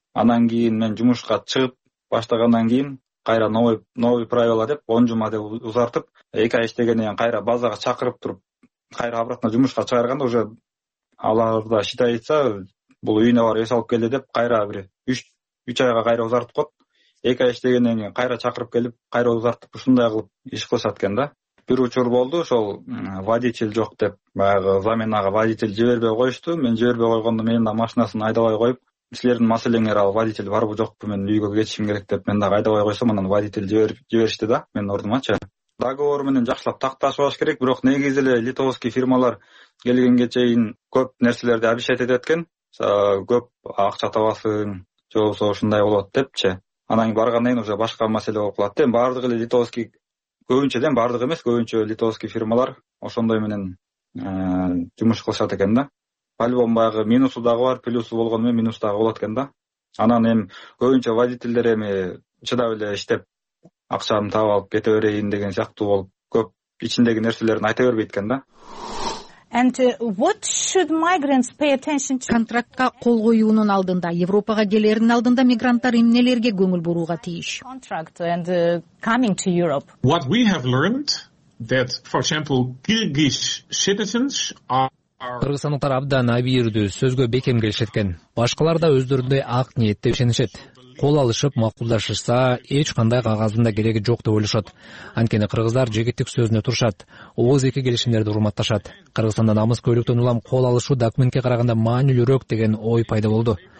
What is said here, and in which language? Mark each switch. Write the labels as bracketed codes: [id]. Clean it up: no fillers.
[ky] Анан кийин мен жумушка чыгып баштагандан кийин кайра [ru] новый правила [ky] деп 10 жума деп узартып, 2 ай иштегенден кийин кайра базага чакырып туруп, кайра [ru] обратно [ky] жумушка чыгарганда [ru] уже [ky] аларда [ru] считается, [ky] бул үйүнө барып эс алып келди деп кайра бир 3 айга кайра узартып коет. 2 ай иштегенден кийин кайра чакырып келип, кайра узартып ушундай кылып иш кылышат экен да. Бир учур болду, ошол водитель жок деп баягы заменага водитель жибербей коюшту. Мен жибербей койгондо менин да машинасын айдабай коюп, силердин маселеңер ал водитель барбы жокпу, мен үйгө кетишим керек деп мен дагы айдабай койсом, анан водитель жиберишти да менин ордумачы. Договор менен жакшылап такташпаш керек, бирок негизи эле литовский фирмалар келгенге чейин көп нерселерди [ru] обещать [ky] этет экен, көп акча табасың же болбосо ушундай болот депчи. Анан кийин баргандан кийин [ru] уже [ky] башка маселе болуп калат да. Эми баардыгы эле литовский, көбүнчө дем баардык эмес, көбүнчө литовский фирмалар ошондой менен жумуш кылышат экен да. [ru] По-любому [ky] баягы минусу дагы бар, плюсу болгону менен минус дагы болот экен да. Анан эми көбүнчө водительдер эми чыдап эле иштеп акчаны таап алып кете берейин деген сыяктуу болуп, көп ичиндеги нерселерин айта бербейт экен да. [en] And what should migrants pay attention to? [ky] Контрактка кол коюунун алдында, Европага келердин алдында мигранттар эмнелерге көңүл бурууга тийиш? [en] Contract and coming to Europe. What we have learned that, for example, Kyrgyz citizens are... [ky] Кыргызстандыктар абдан абийирдүү, сөзгө бекем келишет экен. Башкалар да өздөрүндөй ак ниетте ишенишет. Кол алышып макулдашышса, эч кандай кагазында кереги жок деп ойлошот. Анткени кыргыздар жегиттик сөзүнө турушат, 12 келишимдерди урматташат. Кыргызстанда намыс көйлөктөн улам кол алышуу документке караганда маанилүүрөөк деген ой пайда болду.